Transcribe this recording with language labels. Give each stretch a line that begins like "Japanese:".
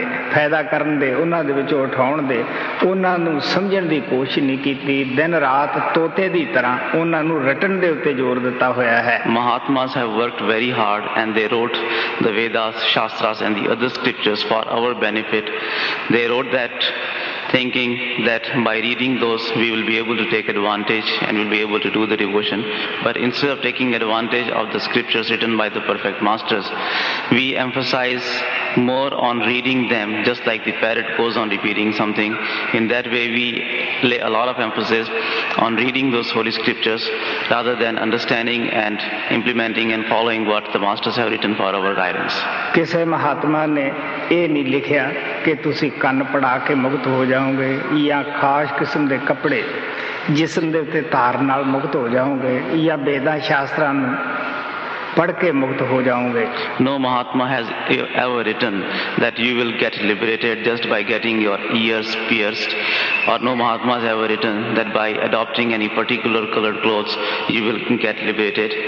Punjabi: ਫਾਇਦਾ ਕਰਨ ਦੇ ਉਹਨਾਂ ਦੇ ਵਿੱਚੋਂ ਉਠਾਉਣ ਦੇ ਉਹਨਾਂ ਨੂੰ ਸਮਝਣ ਦੀ ਕੋਸ਼ਿਸ਼ ਨਹੀਂ ਕੀਤੀ, ਦਿਨ ਰਾਤ ਤੋਤੇ ਦੀ ਤਰ੍ਹਾਂ ਉਹਨਾਂ ਨੂੰ ਰਟਣ ਦੇ ਉੱਤੇ ਜ਼ੋਰ ਦਿੱਤਾ ਹੋਇਆ ਹੈ.
English: Mahatmas have worked very hard and they wrote the Vedas, shastras and the other scriptures for our benefit. They wrote that thinking that by reading those we will be able to take advantage and will be able to do the devotion, but instead of taking advantage of the scriptures written by the perfect masters, we emphasize more on reading them, just like the parrot goes on repeating something. In that way we lay a lot of emphasis on reading those holy scriptures rather than understanding and implementing and following what the masters have written for our guidance.
Punjabi: Kise mahatma ne eh nahi likhya ke tusi kann pada ke mukt ho ਜਾਓਗੇ, ਜਾਂ ਖਾਸ ਕਿਸਮ ਦੇ ਕੱਪੜੇ ਜਿਸਮ ਦੇ ਉੱਤੇ ਤਾਰ ਨਾਲ ਮੁਕਤ ਹੋ ਜਾਓਗੇ, ਜਾਂ ਵੇਦਾਂ ਸ਼ਾਸਤਰਾਂ ਨੂੰ ਪੜ੍ਹ ਕੇ ਮੁਕਤ ਹੋ ਜਾਓਗੇ.
English: No mahatma has ever written that you will get liberated just by getting your ears pierced, or no mahatma has ever written that by adopting any particular coloured clothes you will get liberated.